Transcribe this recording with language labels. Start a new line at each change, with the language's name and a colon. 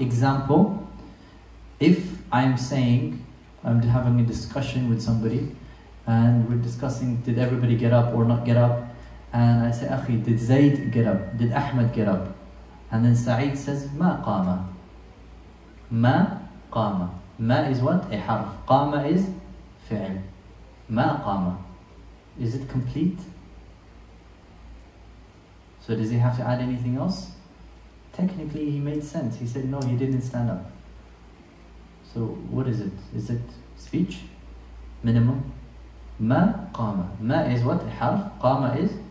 English: Example, if I'm saying, I'm having a discussion with somebody, and we're discussing, did everybody get up or not get up? And I say, أخي, did Zayd get up? Did Ahmed get up? And then Sa'id says,
Arabic: ما قام. ما قام.
English: ما is what? A half. قام is فعل. ما قام. Is it complete? So does he have to add anything else? Technically, he made sense. He said, no, he didn't stand up. So what is it? Is it speech? Minimum? Ma qama. Ma is what? Harf. Qama is?